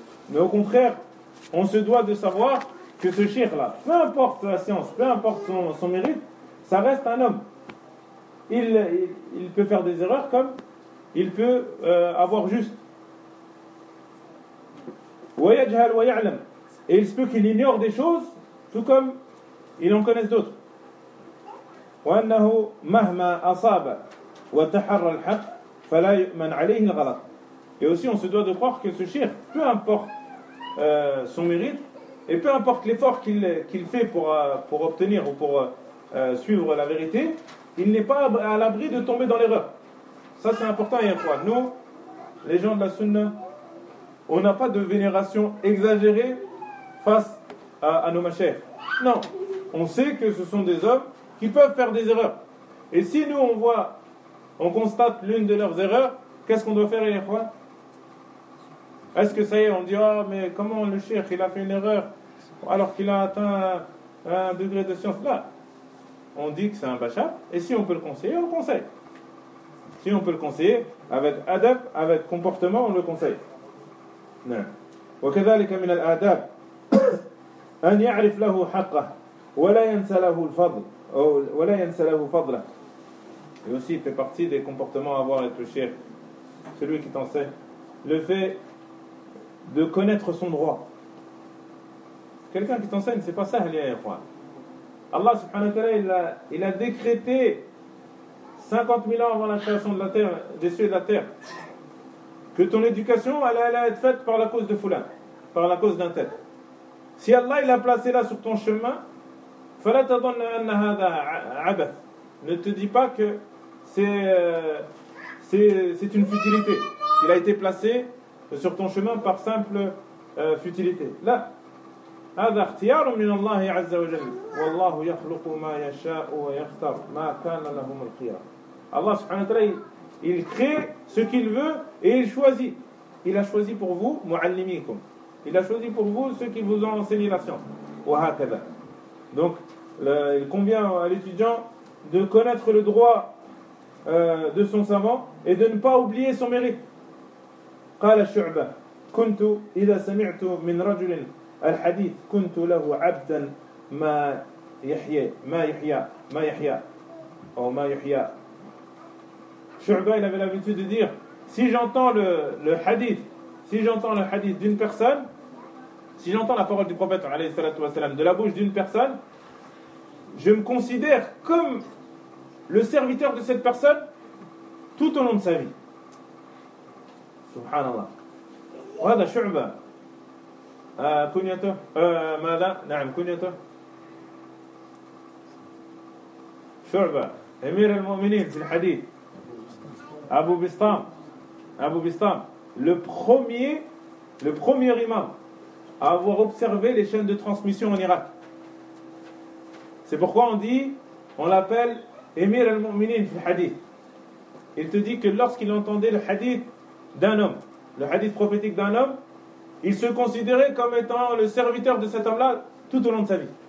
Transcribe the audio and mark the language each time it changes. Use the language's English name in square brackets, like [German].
[French] Mais au contraire, on se doit de savoir que ce cher-là, peu importe la science, peu importe son mérite, ça reste un homme. Il peut faire des erreurs comme il peut avoir juste. [Arabic] ويجهل ويعلم. [French] Et il se peut qu'il ignore des choses, tout comme il en connaisse d'autres. [Arabic] وأنه مهما أصاب وتحرى الحق فلا يؤمن عليه الغلط. [French] Et aussi, on se doit de croire que ce cheikh, peu importe son mérite, et peu importe l'effort qu'il fait pour obtenir ou pour suivre la vérité, il n'est pas à l'abri de tomber dans l'erreur. Ça, c'est important à croire. Nous, les gens de la Sunna, on n'a pas de vénération exagérée face à nos machaires. Non, on sait que ce sont des hommes qui peuvent faire des erreurs. Et si nous, on voit, on constate l'une de leurs erreurs, qu'est-ce qu'on doit faire, Yahya? Est-ce que ça y est, on dit, ah, mais comment le cheikh, il a fait une erreur, alors qu'il a atteint un degré de science? Là, on dit que c'est un bacha, et si on peut le conseiller, on le conseille. Si on peut le conseiller, avec adab, avec comportement, on le conseille. Non. [Arabic] وكذلك من الآداب أن يعرف له حقه ولا ينسى له الفضل ولا ينسى له فضله. [French] Et aussi, il fait partie des comportements à avoir avec le cheikh. Celui qui t'enseigne, le fait de connaître son droit. Quelqu'un qui t'enseigne, c'est pas ça, Allah [Arabic] subhanahu wa ta'ala, [French] il a décrété 50 000 ans avant la création de la terre, des cieux et de la terre, que ton éducation allait être faite par la cause de Foulain, par la cause d'un tel. Si Allah il a placé là sur ton chemin, [Arabic] فَلَا تَضَنَّ أَنَّ هَذَا عَبَثٌ, [French] ne te dis pas que c'est une futilité. Il a été placé sur ton chemin par simple futilité. [Arabic] Là, هذا اختيار من الله عز وجل والله يخلق ما يشاء ويختار ما كان لهم الخيار. [French] Allah [Arabic] سبحانه وتعالى, [French] il crée ce qu'il veut et il choisit. Il a choisi pour vous معلميكم. Il a choisi pour vous ceux qui vous ont enseigné la science. [Arabic] وهكذا. [French] Donc, il convient à l'étudiant de connaître le droit de son savant et de ne pas oublier son mérite. [Arabic] قال الشعبة كنت إذا سمعت من رجل الحديث كنت له عبدا ما يحيى ما يحيى ما يحيى أو ما يحيى. [French] شعبة il avait l'habitude de dire, si j'entends le hadith, si j'entends le hadith d'une personne, si j'entends la parole du prophète [Arabic] عليه الصلاة والسلام [French] de la bouche d'une personne, je me considère comme le serviteur de cette personne tout au long de sa vie. [Arabic] Subhanallah. وهذا شعبة كنيته ماذا نعم كنيته شعبة أمير المؤمنين في الحديث أبو بسطام. [French] أبو بسطام le premier imam à avoir observé les chaînes de transmission en Irak. C'est pourquoi on l'appelle Emir al-Mu'minin fil hadith. Il te dit que lorsqu'il entendait le hadith d'un homme, le hadith prophétique d'un homme, il se considérait comme étant le serviteur de cet homme-là tout au long de sa vie.